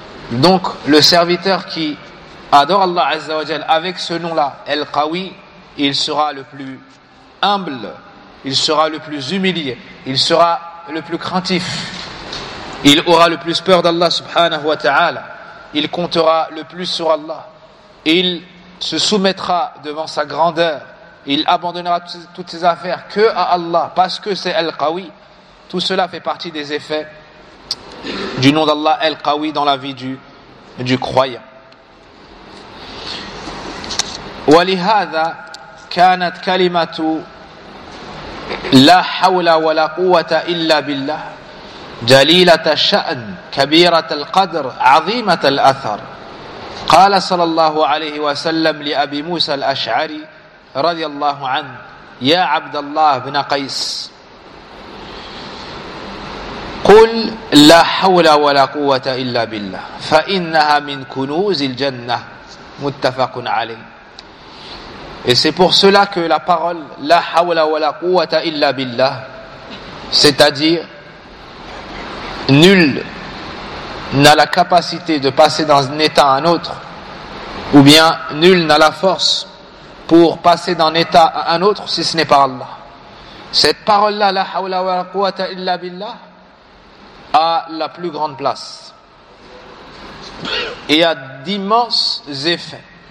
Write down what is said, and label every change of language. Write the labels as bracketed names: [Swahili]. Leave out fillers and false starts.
[French] Donc le serviteur qui adore Allah Azza wa Jal avec ce nom-là, El Qawi, il sera le plus humble, il sera le plus humilié, il sera le plus craintif, il aura le plus peur d'Allah subhanahu wa ta'ala, il comptera le plus sur Allah, il se soumettra devant sa grandeur, il abandonnera toutes ses affaires que à Allah, parce que c'est Al-Qawi. Tout cela fait partie des effets du nom d'Allah Al-Qawi dans la vie du croyant. [Arabic] Walihada كانت كلمة لا حول ولا قوة إلا بالله جليلة الشأن كبيرة القدر عظيمة الأثر قال صلى الله عليه وسلم لأبي موسى الأشعري رضي الله عنه يا عبد الله بن قيس قل لا حول ولا قوة إلا بالله فإنها من كنوز الجنة متفق عليه. [French] Et c'est pour cela que la parole « [Arabic] La hawla wa la quwwata illa billah [French] » c'est-à-dire « Nul n'a la capacité de passer d'un état à un autre » ou bien « Nul n'a la force pour passer d'un état à un autre si ce n'est par Allah » cette parole-là « La hawla wa la quwwata illa billah » a la plus grande place et a d'immenses effets.